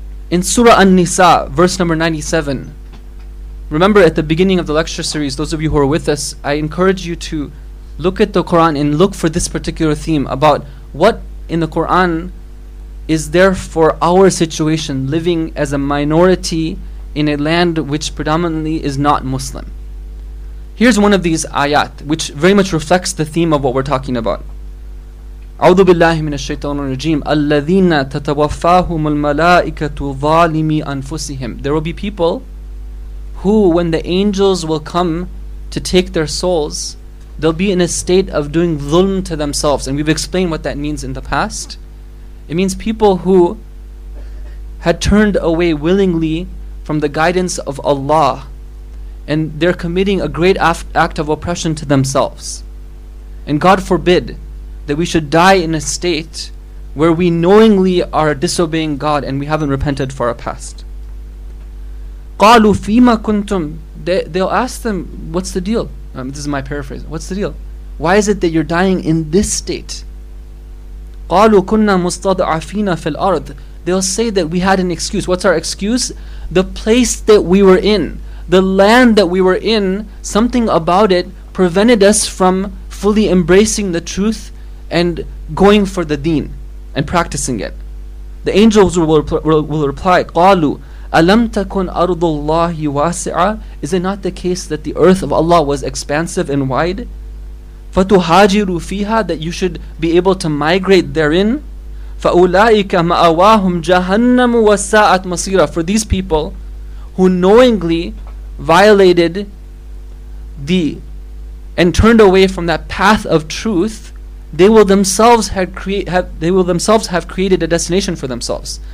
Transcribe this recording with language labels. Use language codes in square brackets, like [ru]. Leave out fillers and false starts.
[en] In Surah An-Nisa, verse number 97, remember at the beginning of the lecture series, those of you who are with us, I encourage you to look at the Quran and look for this particular theme about what in the Quran is there for our situation, living as a minority in a land which predominantly is not Muslim. Here's one of these ayat, which very much reflects the theme of what we're talking about. [ar] أعوذ بالله من الشيطان الرجيم الذين تتوفاهم الملائكة ظالمي أنفسهم. [en] There will be people who, when the angels will come to take their souls, they'll be in a state of doing dhulm to themselves. And we've explained what that means in the past. It means people who had turned away willingly from the guidance of Allah, and they're committing a great act of oppression to themselves. And God forbid that we should die in a state where we knowingly are disobeying God and we haven't repented for our past. [ar] قَالُوا فِيمَا كُنْتُمْ. [en] They'll ask them, what's the deal? This is my paraphrase. What's the deal? Why is it that you're dying in this state? [ar] قَالُوا كُنَّا مُسْتَضْعَفِينَ فِي الْأَرْضِ. [en] They'll say that we had an excuse. What's our excuse? The place that we were in, the land that we were in, something about it prevented us from fully embracing the truth and going for the deen and practicing it. The angels will reply, [ar] قَالُوا أَلَمْ تَكُنْ أَرْضُ اللَّهِ وَاسِعًا. [en] Is it not the case that the earth of Allah was expansive and wide? [ar] فَتُهَاجِرُوا فِيهَا. [en] That you should be able to migrate therein. [ar] فَأُولَٰئِكَ مَأَوَاهُمْ جَهَنَّمُ وَسَاءَتْ مَصِيرًا. [en] For these people who knowingly violated the and turned away from that path of truth, they will themselves have created a destination for themselves.